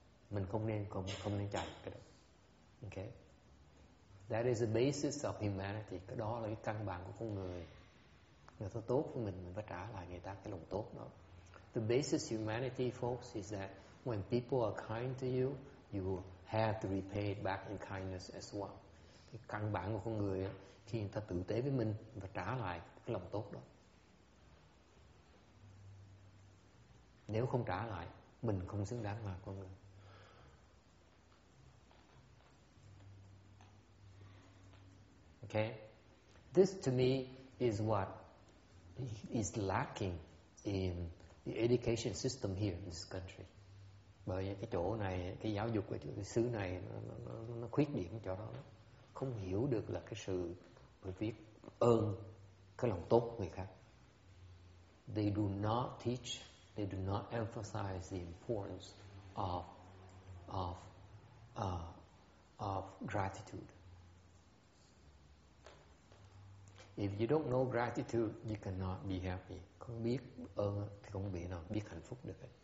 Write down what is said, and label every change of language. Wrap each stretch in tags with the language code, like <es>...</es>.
<vi>Mình không nên chạy cái đó.</vi> <en>Okay. That is the basis of humanity.</en> <vi>Cái đó là cái căn bản của con người. Người ta tốt với mình phải trả lại người ta cái lòng tốt đó.</vi> <en>The basis of humanity, folks, is that when people are kind to you, you have to repay it back in kindness as well.</en> <vi>Cái căn bản của con người đó, khi người ta tử tế với mình và trả lại cái lòng tốt đó. Nếu không trả lại, mình không xứng đáng là con người.</vi> <en>Okay? This to me is what is lacking in the education system here in this country.</en> <vi>Bởi cái chỗ này, cái giáo dục của cái xứ này nó khuyết điểm chỗ đó. Không hiểu được là cái sự biết ơn cái lòng tốt người khác.</vi> <en>They do not teach, they do not emphasize the importance of gratitude. If you don't know gratitude, you cannot be happy.</en> <vi>Không biết ơn thì không biết nào biết hạnh phúc được.</vi>